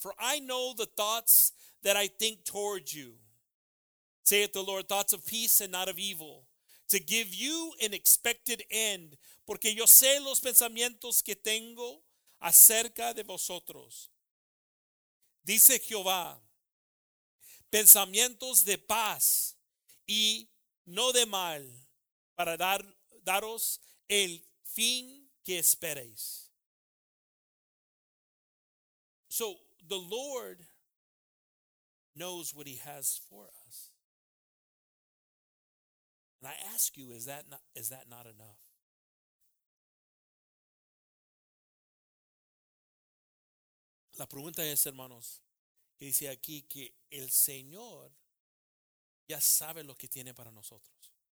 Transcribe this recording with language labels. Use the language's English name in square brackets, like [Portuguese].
[English] For I know the thoughts that I think toward you, saith the Lord, thoughts of peace and not of evil, to give you an expected end. [Spanish] Porque yo sé los pensamientos que tengo acerca de vosotros, dice Jehová, pensamientos de paz y no de mal, para daros el fin que esperéis. [English] So the Lord knows what he has for us. And I ask you, is that not enough? [Spanish] La pregunta es, hermanos, que dice aquí que el Señor ya sabe lo que tiene para nosotros.